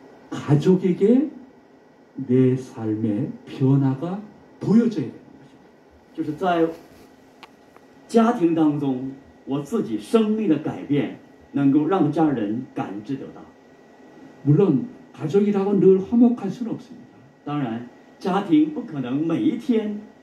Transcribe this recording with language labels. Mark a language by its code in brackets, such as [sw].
[ko] 가족에게 내 삶의 변화가 보여져야 되는 것입니다. [zh] 就是在家庭当中，我自己生命的改变能够让家人感知得到。 [ko] 물론 가족이라고 늘 화목할 수는 없습니다. [zh] 当然，家庭不可能每一天。